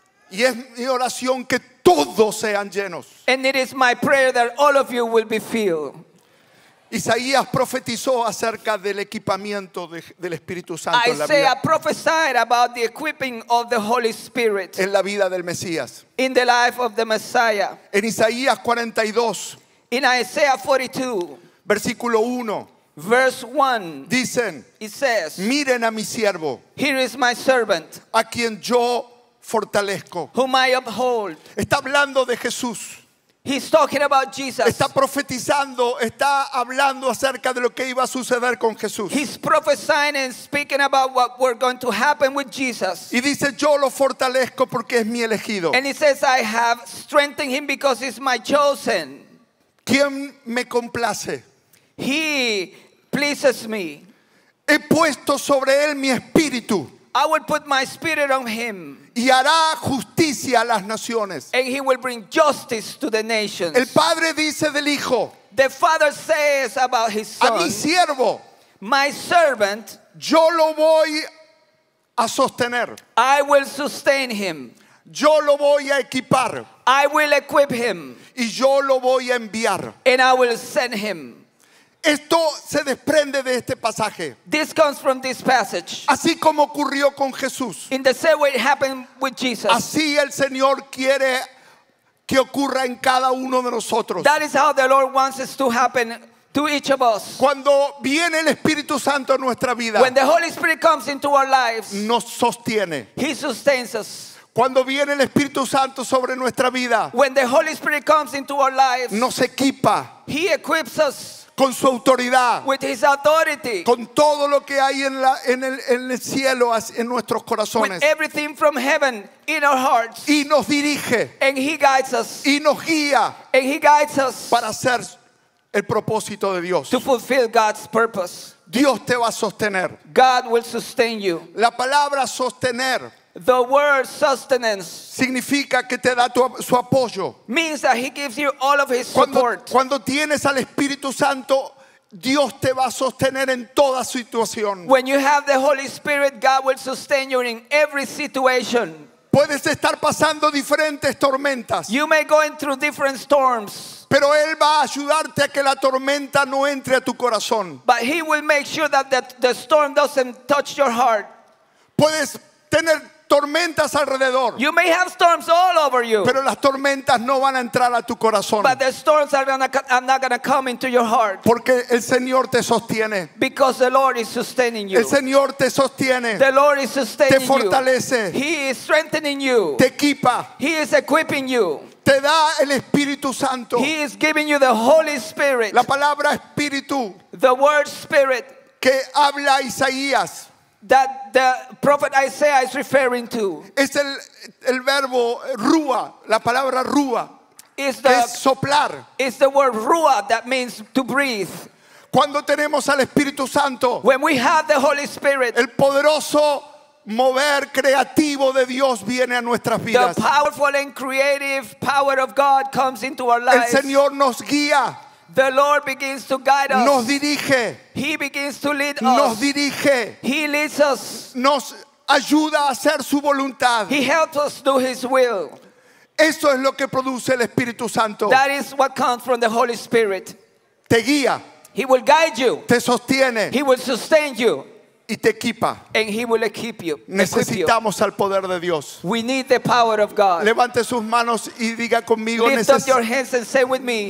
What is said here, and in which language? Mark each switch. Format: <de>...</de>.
<es>Y es mi oración que todos sean llenos.</es> <en>And it is my prayer that all of you will be filled.</en> <es>Isaías profetizó acerca del equipamiento del Espíritu Santo en la vida.</es> <en>Isaiah prophesied about the equipping of the Holy Spirit.</en> <es>En la vida del Mesías.</es> <en>In the life of the Messiah.</en> <es>En Isaías 42.</es> <en>In Isaiah 42.</en> <es>Versículo 1.</es> <en>Verse 1.</en> <es>Dicen.</es> <en>It says.</en> <es>Miren a mi siervo.</es> <en>Here is my servant.</en> <es>A quien yo fortalezco.</es> <en>Whom I uphold.</en> <es>Está hablando de Jesús.</es> <en>He's talking about Jesus.</en> <es>Está profetizando, está hablando acerca de lo que iba a suceder con Jesús.</es> <en>He's prophesying and speaking about what we're going to happen with Jesus.</en> <es>Y dice, yo lo fortalezco porque es mi elegido.</es> <en>And he says, I have strengthened him because he's my chosen.</en> <es>¿Quién me complace?</es> <en>He pleases me.</en> <es>He puesto sobre él mi espíritu.</es> <en>I will put my spirit on him.</en> <es>Y hará justicia a las naciones.</es> <en>And he will bring justice to the nations.</en> <es>El padre dice del hijo.</es> <en>The father says about his son.</en> <es>A mi siervo.</es> <en>My servant.</en> <es>Yo lo voy a sostener.</es> <en>I will sustain him.</en> <es>Yo lo voy a equipar.</es> <en>I will equip him.</en> <es>Y yo lo voy a enviar.</es> <en>And I will send him.</en> <es>Esto se desprende de este pasaje.</es> <en>This comes from this passage.</en> <es>Así como ocurrió con Jesús.</es> <en>In the same way it happened with Jesus.</en> <es>Así el Señor quiere que ocurra en cada uno de nosotros.</es> <en>That is how the Lord wants it to happen to each of us.</en> <es>Cuando viene el Espíritu Santo a nuestra vida.</es> <en>When the Holy Spirit comes into our lives.</en> <es>Nos sostiene.</es> <en>He sustains us.</en> <es>Cuando viene el Espíritu Santo sobre nuestra vida.</es> <en>When the Holy Spirit comes into our lives.</en> <es>Nos equipa.</es> <en>He equips us.</en> <es>Con su autoridad.</es> <en>With his authority.</en> <es>Con todo lo que hay en el cielo, en nuestros corazones.</es> <en>With everything from heaven in our hearts.</en> <es>Y nos dirige.</es> <en>And he guides us.</en> <es>Y nos guía.</es> <en>And he guides us.</en> <es>Para hacer el propósito de Dios.</es> <en>To fulfill God's purpose.</en> <es>Dios te va a sostener.</es> <en>God will sustain you.</en> <es>La palabra sostener.</es> <en>The word sustenance</en> <es>significa que te da su apoyo.</es> <en>Means that he gives you all of his support.</en> <es>Cuando tienes al Espíritu Santo, Dios te va a sostener en toda situación.</es> <en>When you have the Holy Spirit, God will sustain you in every situation.</en> <es>Puedes estar pasando diferentes tormentas.</es> <en>You may go through different storms.</en> <es>Pero él va a ayudarte a que la tormenta no entre a tu corazón.</es> <en>But he will make sure that the storm doesn't touch your heart.</en> <es>Puedes tener tormentas alrededor.</es> <en>You may have storms all over you.</en> <es>Pero las tormentas no van a entrar a tu corazón.</es> <en>But the storms are not going to come into your heart.</en> <es>Porque el Señor te sostiene.</es> <en>Because the Lord is sustaining you.</en> <es>El Señor te sostiene.</es> <en>The Lord is sustaining you.</en> <es>Te fortalece.</es> <en>He is strengthening you.</en> <es>Te equipa.</es> <en>He is equipping you.</en> <es>Te da el Espíritu Santo.</es> <en>He is giving you the Holy Spirit.</en> <es>La palabra Espíritu.</es> <en>The word Spirit.</en> <es>Que habla Isaías.</es> <en>That the prophet Isaiah is referring to.</en> <es>Es el verbo ruah, la palabra ruah.</es> <en>Is the,</en> <es>es soplar.</es> <en>It's the word ruah that means to breathe.</en> <es>Cuando tenemos al Espíritu Santo.</es> <en>When we have the Holy Spirit.</en> <es>El poderoso mover creativo de Dios viene a nuestras vidas.</es> <en>The powerful and creative power of God comes into our lives.</en> <es>El Señor nos guía.</es> <en>The Lord begins to guide us.</en> <es>Nos dirige.</es> <en>He begins to lead us.</en> <es>Nos dirige.</es> <en>He leads us.</en> <es>Nos ayuda a hacer su voluntad.</es> <en>He helps us do his will.</en> <es>Eso es lo que produce el Espíritu Santo.</es> <en>That is what comes from the Holy Spirit.</en> <es>Te guía.</es> <en>He will guide you.</en> <es>Te sostiene.</es> <en>He will sustain you.</en> <es>Y te equipa.</es> <en>And he will equip you.</en> <es>Necesitamos al poder de Dios.</es> <en>We need the power of God.</en> <es>Levante sus manos y diga conmigo.</es> <en>Lift up your hands and say with me.</en>